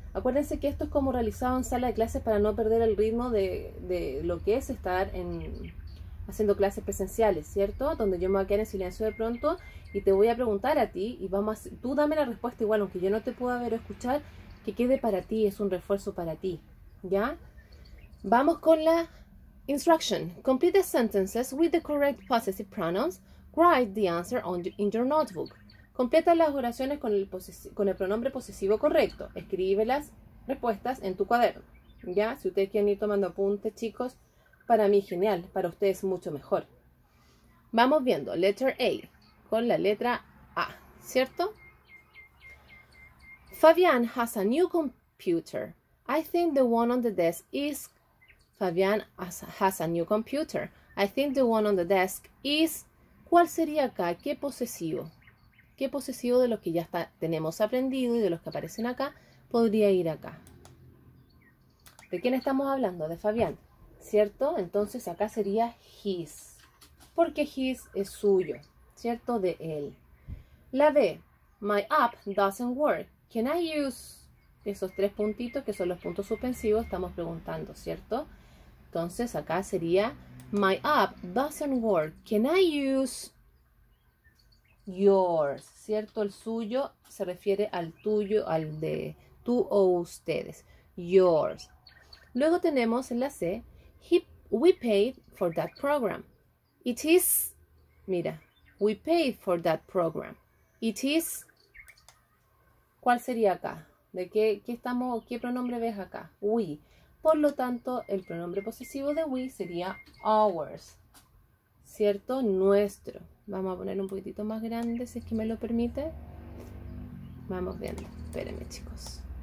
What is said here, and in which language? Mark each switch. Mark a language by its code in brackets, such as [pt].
[es] Acuérdense que esto es como realizado en sala de clases para no perder el ritmo de lo que es estar en, haciendo clases presenciales, ¿cierto? Donde yo me voy a quedar en silencio de pronto y te voy a preguntar a ti y vamos a, tú dame la respuesta igual, aunque yo no te pueda ver o escuchar, que quede para ti, es un refuerzo para ti, ¿ya? Vamos con la instruction. [en] Complete the sentences with the correct possessive pronouns. Write the answer on the, in your notebook. [es] Completa las oraciones con el pronombre posesivo correcto. Escribe las respuestas en tu cuaderno. ¿Ya? Si ustedes quieren ir tomando apuntes, chicos, para mí genial. Para ustedes mucho mejor. Vamos viendo. [en] Letter A. [es] Con la letra A. ¿Cierto? [en] Fabian has a new computer. I think the one on the desk is... Fabian has a new computer. I think the one on the desk is... [es] ¿Cuál sería acá? ¿Qué posesivo? ¿Qué posesivo de los que ya está, tenemos aprendido y de los que aparecen acá podría ir acá? ¿De quién estamos hablando? De Fabián, ¿cierto? Entonces acá sería his, porque his es suyo, ¿cierto? De él. La B, [en] my app doesn't work. Can I use [es] esos tres puntitos que son los puntos suspensivos? Estamos preguntando, ¿cierto? Entonces acá sería, [en] my app doesn't work. Can I use... yours, ¿cierto? [es] El suyo se refiere al tuyo, al de tú o ustedes. Yours. Luego tenemos en la C, [en] we paid for that program. It is, [es] mira, [en] we paid for that program. [es] It is, ¿cuál sería acá? ¿De qué, qué estamos, qué pronombre ves acá? We. Por lo tanto, el pronombre posesivo de we sería ours, ¿cierto? Nuestro. Vamos a poner un poquitito más grande, si es que me lo permite. Vamos viendo. Espérenme, chicos.